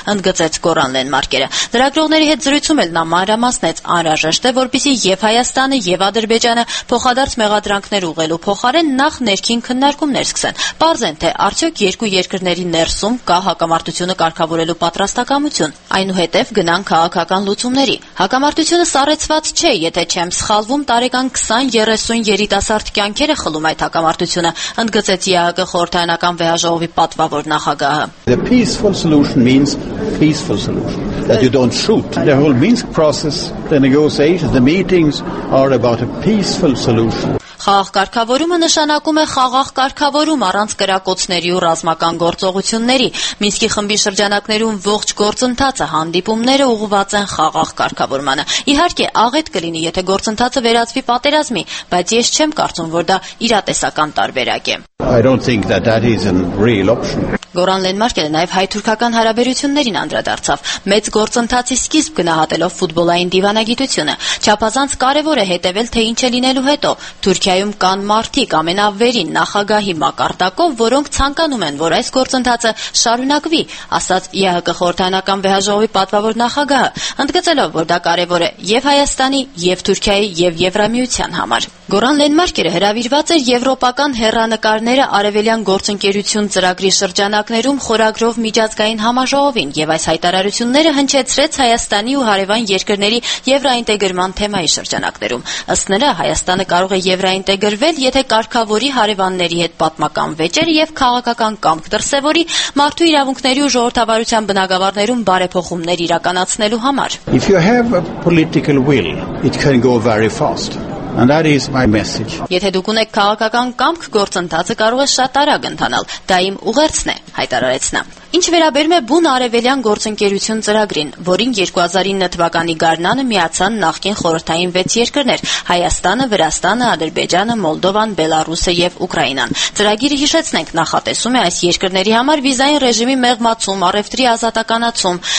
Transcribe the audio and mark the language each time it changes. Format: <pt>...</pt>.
<hy>ընդգծեց Գորան Լենմարկերը։ Լրագրողների հետ զրույցում էլ նա մանրամասնեց անհրաժեշտ է, որպեսզի և Հայաստանը, և Ադրբեջանը փոխադարձ մեղադրանքներ ուղղելու փոխարեն նախ ներքին քննարկում ներսկսեն։ Պարզ են, թե արդյոք երկու երկրների ներսում կա հակամարտությունը կարգավորելու պատրաստակամություն, այնուհետև գնան քաղաքական լուծումների։ Հակամարտությունը սառեցված չէ, եթե չեմ սխալվում, տարեկան 20-30 երիտասարդ կյանքերը խլում այդ հակամարտությունը, ընդգծեց ԵԱՀԿ խորհրդարանական վեհաժողովի պատվավոր նախագահը։</hy> <en>The peaceful solution means peaceful solution. That you don't shoot. The whole Minsk process, the negotiations, the meetings are about a peaceful solution.</en> <hy>Խաղաղ կարգավորումը նշանակում է խաղաղ կարգավորում առանց կրակոցների ու ռազմական գործողությունների։ Մինսկի խմբի շրջանակներում ողջ գործընթացը հանդիպումները ուղղված են խաղաղ կարգավորմանը։ Իհարկե, աղետ կլինի, եթե գործընթացը վերածվի պատերազմի, բայց ես չեմ կարծում, որ դա իրատեսական տարբերակ է։</hy> <en>I don't think that that is a real option.</en> <hy>Գորան Լենմարկերը նաև հայ-թուրքական հարաբերություններին անդրադարձավ, մեծ գործընթացի սկիզբ գնահատելով ֆուտբոլային դիվանագիտությունը։ Չափազանց կարևոր է հետևել, թե ինչ է լինելու հետո։ Թուրքիայում կան մարդիկ ամենավերին նախագահի մակարդակով, որոնք ցանկանում են, որ այս գործընթացը շարունակվի, ասաց ԵՀԿ խորհրդանական վեհաժողովի պատվավոր նախագահը, ընդգծելով, որ դա կարևոր է և Հայաստանի, և Թուրքիայի, և Եվրամիության համար։ Գորան Լենմարկերը հրավիրված էր եվրոպական հերրանկարները արևելյան գործընկերություն ծրագրի շրջանակներում խորագրով միջազգային համաժողովին, և այս հայտարարությունները հնչեցրեց Հայաստանի ու հարևան երկրների եվրոինտեգրման թեմայի շրջանակներում։ Ըստ նրա, Հայաստանը կարող է եվրոինտեգրվել, եթե կարգավորի հարևանների հետ պատմական վեճերը և քաղաքական կամք դրսևորի մարդու իրավունքների ու ժողովրդավարության բնագավառներում բարեփոխումներ իրականացնելու համար։</hy> <en>If you have a political will, it can go very fast. And that is my message.</en> <hy>Եթե դուք ունեք քաղաքական կամք, գործընթացը կարող է շատ արագ ընթանալ, դա իմ ուղերձն է, հայտարարեց նա։ Ինչ վերաբերում է բուն արևելյան գործընկերություն ծրագրին, որին 2009 թվականի գարնանը միացան նախկին խորհրդային 6 երկրներ՝ Հայաստանը, Վրաստանը, Ադրբեջանը, Մոլդովան, Բելարուսը եւ Ուկրաինան։ Ծրագիրը, հիշեցնենք, նախատեսում է այս երկրների համար վիզային ռեժիմի մեղմացում, առևտրի ազատականացում։</hy>